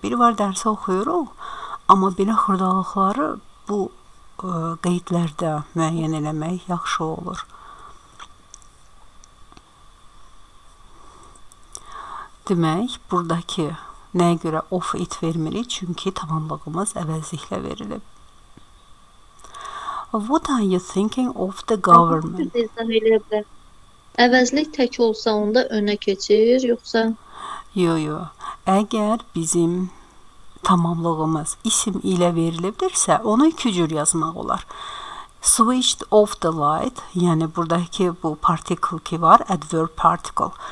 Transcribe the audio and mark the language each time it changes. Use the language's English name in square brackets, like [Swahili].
[Azerbaijani] Biri var, dərsə oxuyuruq, amma belə xırdalıqları bu qeydlərdə müəyyən eləmək yaxşı olur. Demək, buradakı nəyə görə off it vermirik? Çünki tamamlığımız əvəzliklə verilib. [English] What are you thinking of the government? [Azerbaijani] Əvəzlik tək olsa onda önə keçir, yoxsa? Yo. Əgər bizim tamamlığımız isim ilə verilibdirsə, onu iki cür yazmaq olar. [English] Switched off the light, [Azerbaijani] yəni buradakı bu particle ki var, adverb particle.